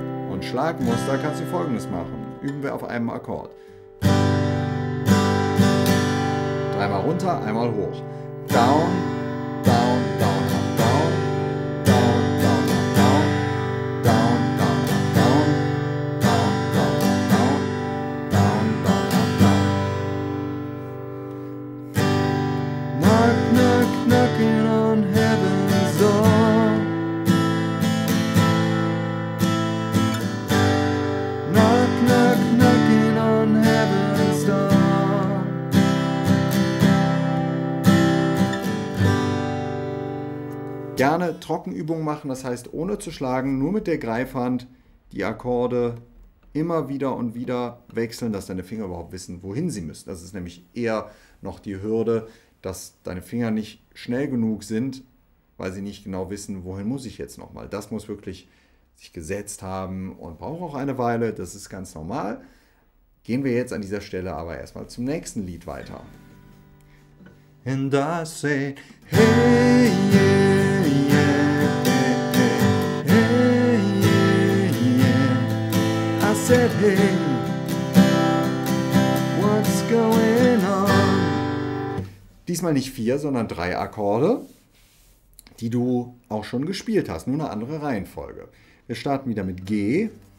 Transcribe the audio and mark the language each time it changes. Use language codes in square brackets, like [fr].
[de] Und Schlagmuster kannst du folgendes machen. Üben wir auf einem Akkord. Dreimal runter, einmal hoch. [en] Down, down, down, down, down, down, down, down, down, down, down, down, down, down, down, down, down. Knock, knock, knocking on heaven's door. Knock, knock, knocking on heaven's door. [de] Gerne Trockenübungen machen, das heißt ohne zu schlagen, nur mit der Greifhand die Akkorde immer wieder und wieder wechseln, dass deine Finger überhaupt wissen, wohin sie müssen. Das ist nämlich eher noch die Hürde, dass deine Finger nicht schnell genug sind, weil sie nicht genau wissen, wohin muss ich jetzt nochmal. Das muss wirklich sich gesetzt haben und braucht auch eine Weile, das ist ganz normal. Gehen wir jetzt an dieser Stelle aber erstmal zum nächsten Lied weiter. [en] And I say, hey, yeah, yeah, hey, yeah, yeah. I said, hey, what's going on? [de] Diesmal nicht vier, sondern drei Akkorde, die du auch schon gespielt hast, nur eine andere Reihenfolge. Wir starten wieder mit G.